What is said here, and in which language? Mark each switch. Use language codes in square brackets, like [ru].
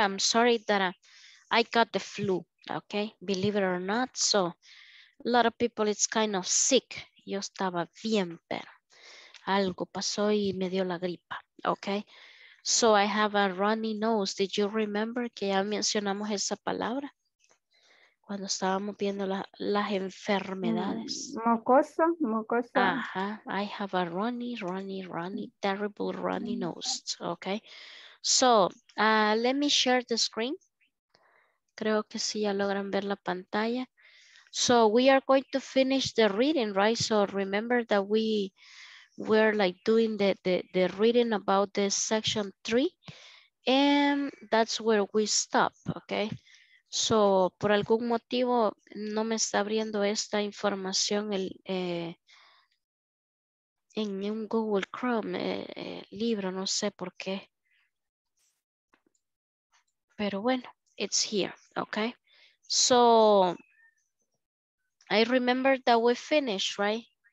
[en] I'm sorry that I got the flu, okay? Believe it or not, so a lot of people, it's kind of sick. [es] Yo estaba bien, pero algo pasó y me dio la gripa, okay? [en] So I have a runny nose. Did you remember [es] que ya mencionamos esa palabra? Cuando estábamos viendo las enfermedades. Mocoso, mocoso. [en] Ajá. I have a runny, terrible runny nose. Okay. So, let me share the screen. [es] Creo que sí ya logran ver la pantalla. [en] So, we are going to finish the reading, right? So, remember that we were like doing the reading about the section 3. And that's where we stop, okay? [es] So, por algún motivo no me está abriendo esta información en un Google Chrome libro, no sé por qué. Pero bueno, [en] it's here, okay? So, I remember that we finished, right?